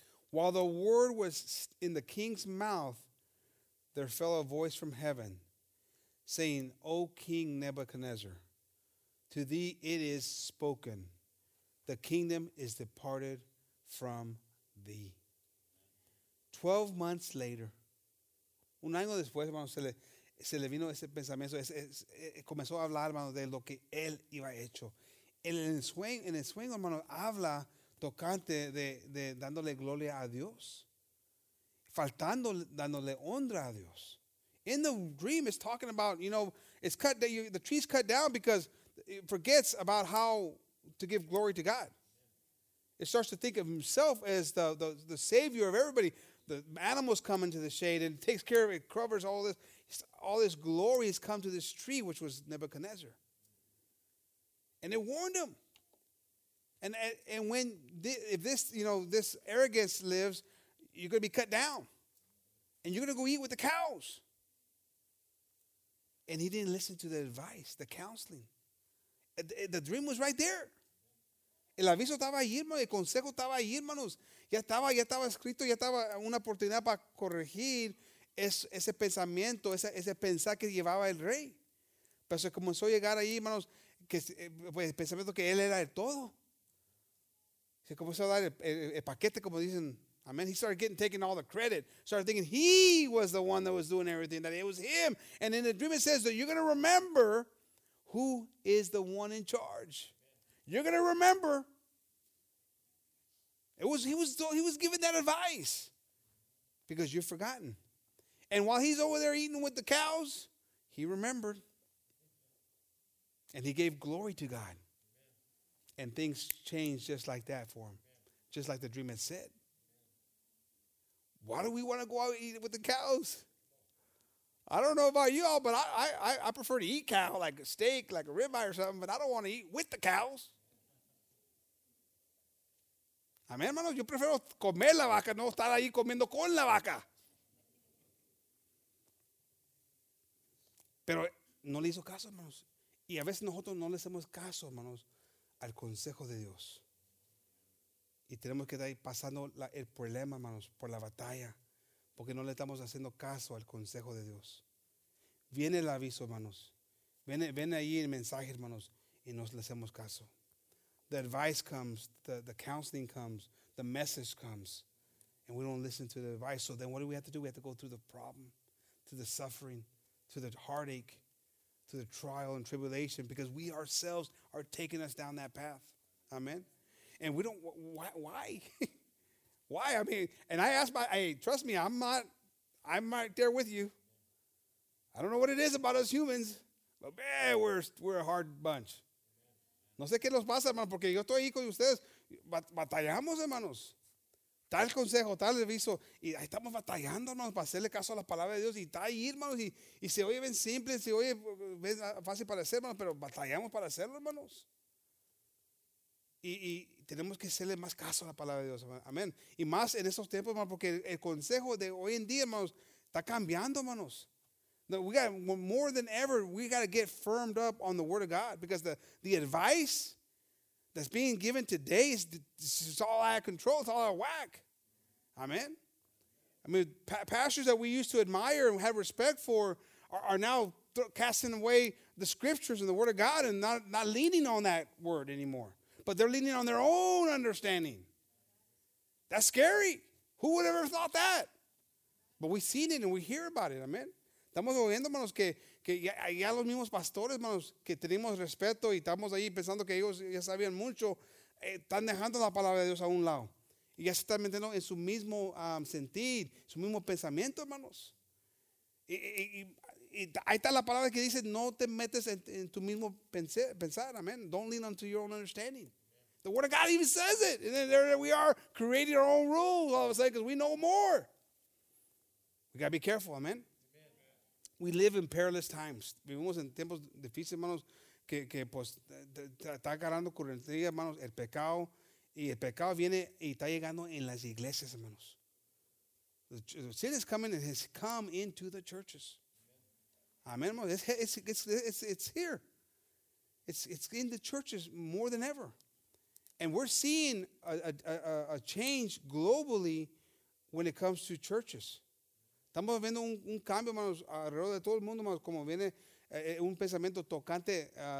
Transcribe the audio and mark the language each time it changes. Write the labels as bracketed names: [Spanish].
[English] While the word was in the king's mouth, there fell a voice from heaven saying, O King Nebuchadnezzar, to thee it is spoken. The kingdom is departed from thee. 12 months later, [Spanish] un año después, hermano, se le vino ese pensamiento. Comenzó a hablar, hermano, de lo que él iba hecho. En el sueño, hermano, habla tocante de dándole gloria a Dios. Faltando, dándole honra a Dios. [English] In the dream, it's talking about, you know, it's cut, the tree's cut down because it forgets about how to give glory to God. It starts to think of himself as the savior of everybody. The animals come into the shade and takes care of it, covers all this. All this glory has come to this tree, which was Nebuchadnezzar. And it warned him. And when this arrogance lives, you're going to be cut down. And you're going to go eat with the cows. And he didn't listen to the advice, the counseling. The dream was right there. [Spanish] El aviso estaba ahí, hermano. El consejo estaba ahí, hermanos. Ya estaba escrito, ya estaba una oportunidad para corregir ese pensamiento, ese pensar que llevaba el rey. Pero se comenzó a llegar ahí, hermanos, que pues, el pensamiento que él era el todo. Se comenzó a dar el paquete, como dicen. [English] Amen. He started taking all the credit. Started thinking he was the one that was doing everything, that it was him. And in the dream it says that you're going to remember who is the one in charge. You're going to remember. He was given that advice because you've forgotten. And while he's over there eating with the cows, he remembered. And he gave glory to God. And things changed just like that for him, just like the dream had said. Why do we want to go out and eat with the cows? I don't know about you all, but I prefer to eat cow, like a steak, like a ribeye or something, but I don't want to eat with the cows. [Spanish] Amén, hermano, yo prefiero comer la vaca, no estar ahí comiendo con la vaca. Pero no le hizo caso, hermanos. Y a veces nosotros no le hacemos caso, hermanos, al consejo de Dios. Y tenemos que estar ahí pasando el problema, hermanos, por la batalla. Porque no le estamos haciendo caso al consejo de Dios. Viene el aviso, hermanos. Viene ahí el mensaje, hermanos, y no le hacemos caso. [English] The advice comes, the counseling comes, the message comes, and we don't listen to the advice. So then what do we have to do? We have to go through the problem, to the suffering, to the heartache, to the trial and tribulation, because we ourselves are taking us down that path. Amen? And we don't, why? Why? I mean, and I ask my, hey, trust me, I'm right there with you. I don't know what it is about us humans, but man, we're a hard bunch. [Spanish] No sé qué nos pasa, hermano, porque yo estoy ahí con ustedes. Batallamos, hermanos. Tal consejo, tal aviso. Y ahí estamos batallando, hermanos, para hacerle caso a la palabra de Dios. Y está ahí, hermanos. Y se oye bien simple, se oye bien fácil para hacer, hermanos. Pero batallamos para hacerlo, hermanos. Y tenemos que hacerle más caso a la palabra de Dios, hermanos. Amén. Y más en estos tiempos, hermanos, porque el consejo de hoy en día, hermanos, está cambiando, hermanos. [English] No, we got more than ever, we got to get firmed up on the Word of God, because the advice that's being given today is all out of control. It's all out of whack. Amen. I mean, pastors that we used to admire and have respect for are now casting away the scriptures and the Word of God and not leaning on that word anymore. But they're leaning on their own understanding. That's scary. Who would have ever thought that? But we've seen it and we hear about it. Amen. [Spanish] Estamos oyendo, hermanos, que ya los mismos pastores, hermanos, que tenemos respeto y estamos ahí pensando que ellos ya sabían mucho, están dejando la palabra de Dios a un lado. Y ya se están metiendo en su mismo sentir, su mismo pensamiento, hermanos. Y ahí está la palabra que dice, no te metes en tu mismo pensar, amen. [English] Don't lean onto your own understanding. The Word of God even says it. And then there we are creating our own rules all of a sudden because we know more. We got to be careful, amen. We live in perilous times. [Spanish] Vivimos en tiempos difíciles, hermanos, que pues está agarrando correntía, hermanos, el pecado. Y el pecado viene y está llegando en las iglesias, hermanos. [English] The sin is coming and has come into the churches. Amen, hermanos. It's here. It's in the churches more than ever. And we're seeing a change globally when it comes to churches. [Spanish] Estamos viendo un cambio, hermanos, alrededor de todo el mundo, hermanos, como viene un pensamiento tocante.